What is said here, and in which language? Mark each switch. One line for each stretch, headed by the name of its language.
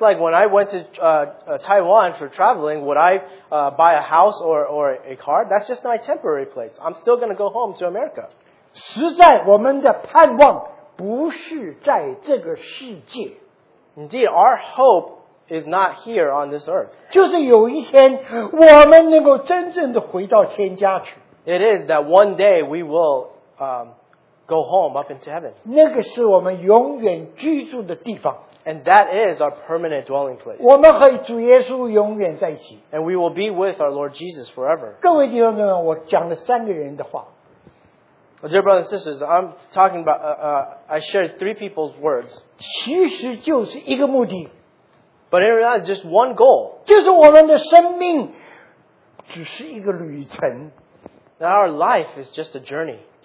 English: like when I went to Taiwan for traveling, would I buy a house or a car? That's just my temporary place. I'm still going to go home to America.
Chinese: 实在，我们的盼望不是在这个世界。
English: Indeed, our hope is not here on this earth.
Chinese: 就是有一天我们能够真正的回到天家去。
English: It is that one day we will go home up into heaven.
Chinese: 那个是我们永远居住的地方。
English: And that is our permanent dwelling place.
Chinese: 我们和主耶稣永远在一起。
English: And we will be with our Lord Jesus forever.
Chinese: 各位弟兄们，我讲了三个人的话。
English: Dear brothers and sisters, I'm talking about, I shared three people's words.
Chinese: 其实就是一个目的。
English: But in reality, just one goal.
Chinese: 就是我们的生命只是一个旅程。
English: Now our life is just a journey.